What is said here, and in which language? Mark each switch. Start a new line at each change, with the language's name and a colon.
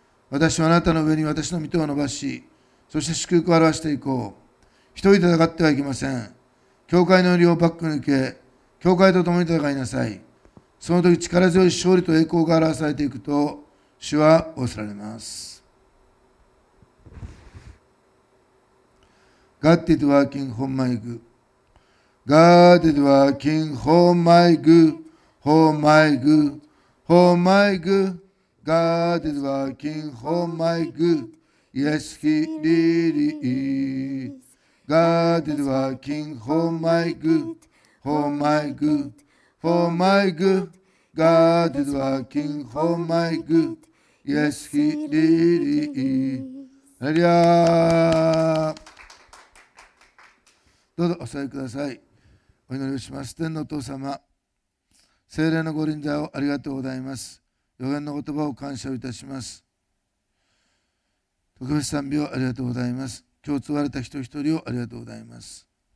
Japanese: 私はあなたの上に私の御手を伸ばし、そして祝福を表していこう。一人で戦ってはいけません。教会の利をバックに受け、教会と共に戦いなさい。その時、力強い勝利と栄光が表されていくと、主は仰せられます。
English: God is working for my good.God is working for my good.For my good.For my good.God is working for my good.Yes, he really is.God is working for my good.For my good.For my good.God is working for my good.Yes, he really is.
Japanese: ありゃー。どうぞお座りください。お祈りをします。天のお父様、聖霊の御臨在をありがとうございます。予言の言葉を感謝いたします。特別賛美をありがとうございます。今日集われた人一人をありがとうございます。